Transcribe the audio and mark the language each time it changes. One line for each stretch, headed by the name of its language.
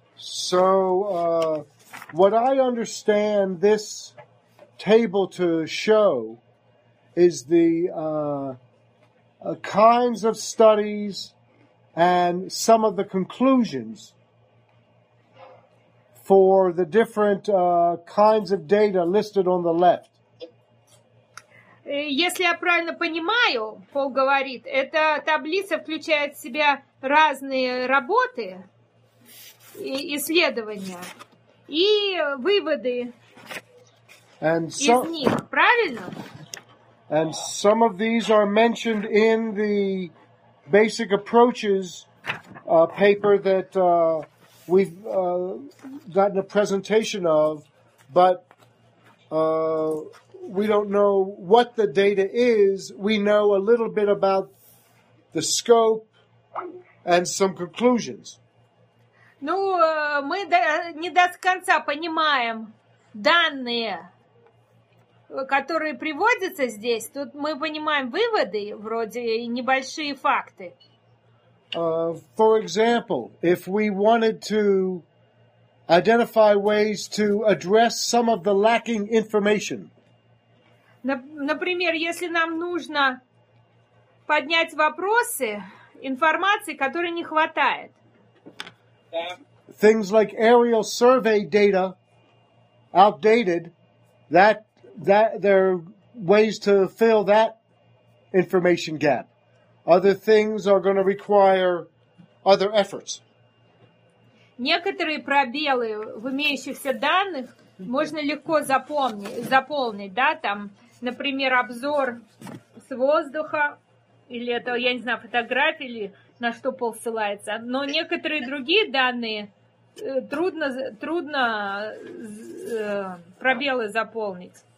English: So what I understand this table to show is the kinds of studies and some of the conclusions for the different kinds of data listed on the left.
Russian: Если я правильно понимаю, Пол говорит, эта таблица включает в себя разные работы и исследования и выводы из них, правильно?
English: And some of these are mentioned in the basic approaches paper that we've gotten a presentation of, but we don't know what the data is. We know a little bit about the scope and some conclusions.
Russian: Ну, мы не до конца понимаем данные, которые приводятся здесь. Тут мы понимаем выводы, вроде небольшие факты.
English: For example, if we wanted to identify ways to address some of the lacking information.
Russian: Например, если нам нужно поднять вопросы информации, которой не хватает.
English: Things like aerial survey data, outdated, that there are ways to fill that information gap. Other things are going to require other efforts.
Russian: Некоторые пробелы в имеющихся данных можно легко заполнить, да, там, например, обзор с воздуха, или это, я не знаю, фотографии, или на что Пол ссылается, но некоторые другие данные трудно пробелы заполнить.